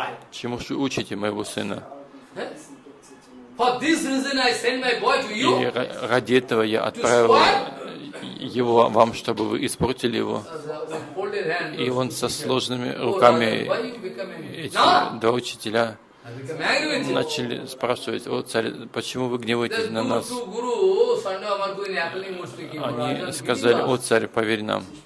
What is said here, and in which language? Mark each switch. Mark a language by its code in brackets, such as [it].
[ru] Чему же учите моего сына? [en] For this reason, I send my boy to you. [ru] И ради этого я отправил его вам, чтобы вы испортили его. И он со сложными руками, эти два учителя начали спрашивать: «О, царь, почему вы гневаетесь на нас?» Они сказали: «О, царь, поверь нам».